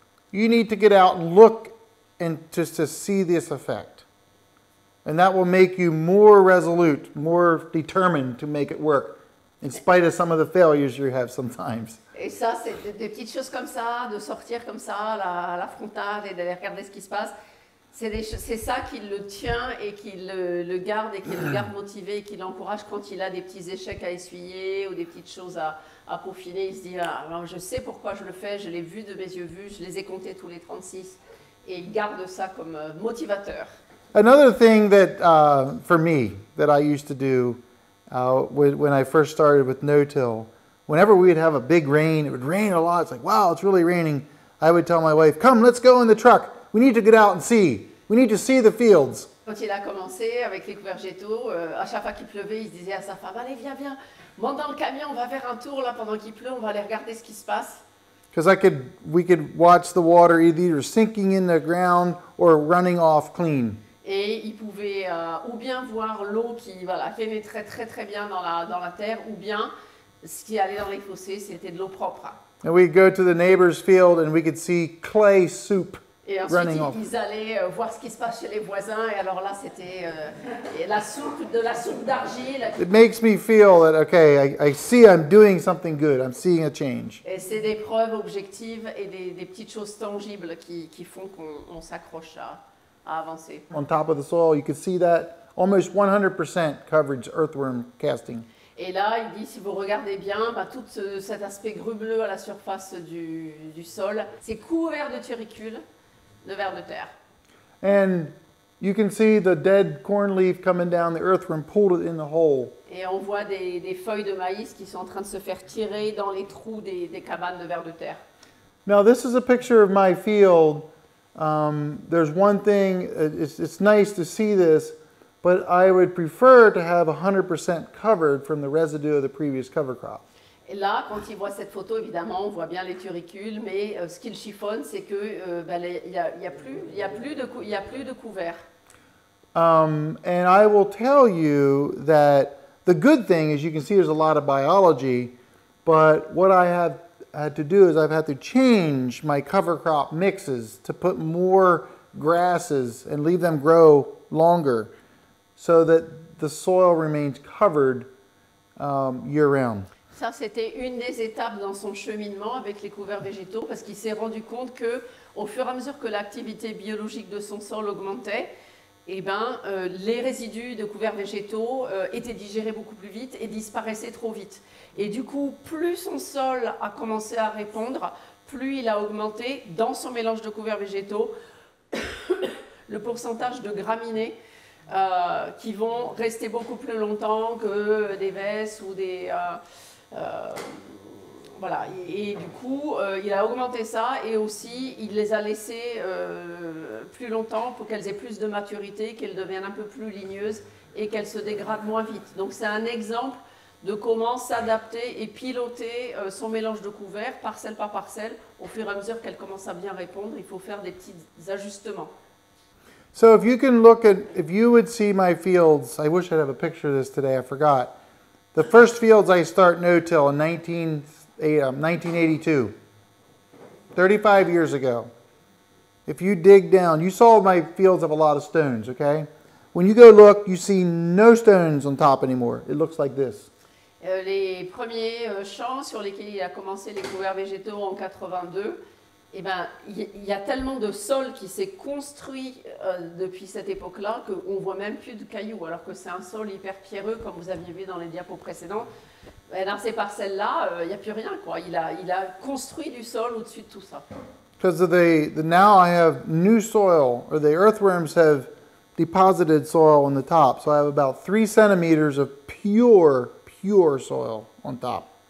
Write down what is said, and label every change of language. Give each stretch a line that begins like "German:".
English: You need to get out and look, and just to see this effect, and that will make you more resolute, more determined to make it work, in spite of some of the failures you have sometimes.
French: Et ça, c'est des petites choses comme ça, de sortir comme ça, la frontale et d'aller regarder ce qui se passe. C'est ça qui le tient et qui le garde et qui le garde motivé et qui l'encourage quand il a des petits échecs à essuyer ou des petites choses à peaufiner. Il se dit, ah, je sais pourquoi je le fais, je l'ai vu de mes yeux vus, je les ai comptés tous les 36. Et il garde ça comme motivateur.
English: Another thing that, for me, that I used to do when I first started with no-till, whenever we'd have a big rain, it would rain a lot, it's like, wow, it's really raining, I would tell my wife, come, let's go in the truck. We need to get out and see. We need to see the fields.
French: Quand il a commencé avec les couverts végétaux, à chaque fois qu'il pleuvait, il se disait à sa femme, allez, viens, viens, monte dans le camion, on va faire un tour là pendant qu'il pleut, on va aller regarder ce qui se passe.
English: Because we could watch the water either sinking in the ground or running off clean.
French: Et il pouvait ou bien voir l'eau qui voilà pénétrait très, très très bien dans la terre, ou bien ce qui allait dans les fossés, c'était de l'eau propre.
English: And we'd go to the neighbor's field and we could see clay soup.
French: Ils allaient voir ce qui se passe chez les voisins, et alors là, c'était la soupe d'argile.
English: It makes me feel that, okay, I see I'm doing something good, I'm seeing a change.
French: Et c'est des preuves objectives et des petites choses tangibles qui font qu'on s'accroche à avancer.
English: On top of the soil, you can see that almost 100% coverage earthworm casting.
French: Et là, il dit, si vous regardez bien, tout cet aspect grumeleux à la surface du sol, c'est couvert de turricules. De vers de terre.
English: And you can see the dead corn leaf coming down. The earthworm pulled it in the hole.
French: Et on voit des feuilles de maïs qui sont en train de se faire tirer dans les trous des cabanes de vers de terre.
English: Now this is a picture of my field. There's one thing. It's nice to see this, but I would prefer to have 100% covered from the residue of the previous cover crop.
French: Et là, quand il voit cette photo, évidemment, on voit bien les turricules, mais ce qu'il chiffonne, c'est que il y a plus de couvert.
English: And I will tell you that the good thing is you can see there's a lot of biology, but what I have had to do is I've had to change my cover crop mixes to put more grasses and leave them grow longer so that the soil remains covered year round.
French: Ça, c'était une des étapes dans son cheminement avec les couverts végétaux parce qu'il s'est rendu compte qu'au fur et à mesure que l'activité biologique de son sol augmentait, les résidus de couverts végétaux étaient digérés beaucoup plus vite et disparaissaient trop vite. Et du coup, plus son sol a commencé à répondre, plus il a augmenté dans son mélange de couverts végétaux le pourcentage de graminées qui vont rester beaucoup plus longtemps que des vesses ou des... et du coup, il a augmenté ça et aussi il les a laissées plus longtemps pour qu'elles aient plus de maturité, qu'elles deviennent un peu plus ligneuses et qu'elles se dégradent moins vite. Donc c'est un exemple de comment s'adapter et piloter son mélange de couverts, parcelle par parcelle, au fur et à mesure qu'elle commence à bien répondre. Il faut faire des petits ajustements.
English: So if you can look at, if you would see my fields, I wish I'd have a picture of this today, I forgot. The first fields I start no-till in 1982, 35 years ago. If you dig down, you saw my fields have a lot of stones, okay? When you go look, you see no stones on top anymore. It looks like this.
French: Les premiers champs sur lesquels il a commencé les couverts végétaux en 82, y a tellement de sol qui s'est construit depuis cette époque-là qu'on ne voit même plus de cailloux, alors que c'est un sol hyper pierreux, comme vous aviez vu dans les diapos précédents. Et dans ces parcelles-là, il n'y a plus rien, quoi. Il a construit du sol au-dessus de tout ça.
English: Because now I have new soil, or the earthworms have deposited soil on the top, so I have about 3 centimeters of pure, pure soil on top.